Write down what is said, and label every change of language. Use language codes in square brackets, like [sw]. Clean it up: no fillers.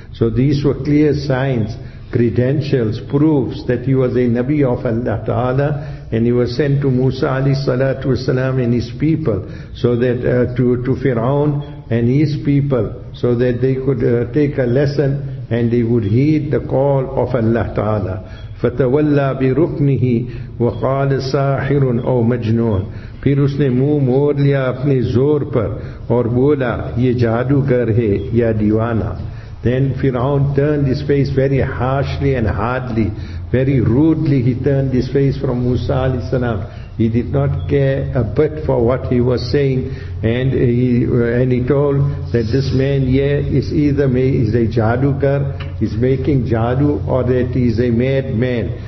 [en] So these were clear signs, credentials, proofs that he was a Nabi of Allah Ta'ala, and he was sent to Musa alayhi salatu wasalam and his people, so that to Fir'aun and his people, so that they could take a lesson and they would heed the call of Allah Ta'ala. [ar] فَتَوَلَّى بِرُكْنِهِ وَقَالَ سَاحِرٌ أَوْ مَجْنُونَ. [ur] پھر اس نے منہ موڑ لیا اپنے زور پر اور بولا یہ جادوگر ہے یا دیوانہ. [en] Then Fir'aun turned his face very harshly and hardly, very rudely he turned his face from Musa alayhi salam. He did not care a bit for what he was saying, and he told that this man here is a jadugar, he's making jadu, or that he's a madman.